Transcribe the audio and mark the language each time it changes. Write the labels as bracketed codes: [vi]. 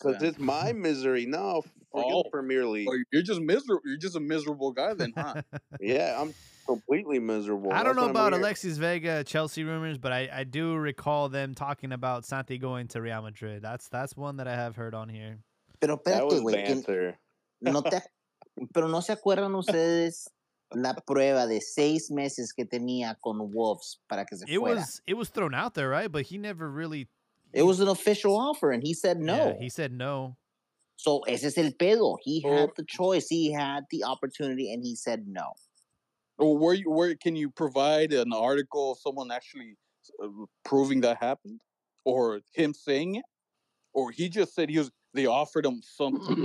[en] Because it's my misery. No, forget Premier League. You're just miserable. You're just a miserable guy then, huh? Yeah, I'm – completely miserable. I don't know about Alexis Vega Chelsea rumors, but I do recall them talking about Santi going to Real Madrid. That's one that I have heard on here. [es] Pero espérate, [en] güey. That was banter. [es] Pero no se acuerdan ustedes la prueba de 6 meses que tenía con Wolves para que se fuera. [en] It was thrown out there, right? But he never really... It was an official offer, and he said no. Yeah, he said no. [es] So ese es el pedo. [en] He had the choice. He had the opportunity, and he said no. Where can you provide an article of someone actually proving that happened, or him saying it, or he just said they offered him something?